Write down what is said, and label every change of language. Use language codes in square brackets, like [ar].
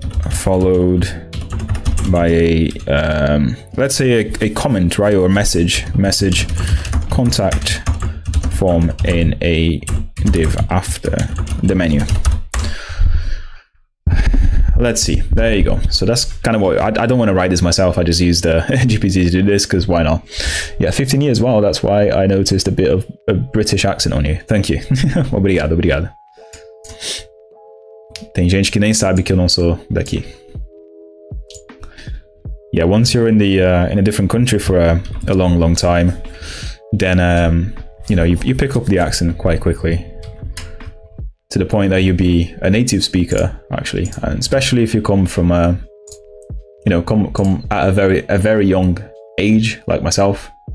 [en] Followed by a let's say a comment, right, or a message contact form in a div after the menu. Let's see, there you go. So that's kind of what I don't want to write this myself. I just use the GPT to do this because why not? Yeah, 15 years. Well, that's why I noticed a bit of a British accent on you. Thank you. [pt] Obrigado, obrigado. Tem gente que nem sabe que eu não sou daqui. [en] Yeah, once you're in a different country for a long, long time, then you know, you pick up the accent quite quickly, to the point that you'll be a native speaker actually, and especially if you come from a, you know, come at a very young age like myself.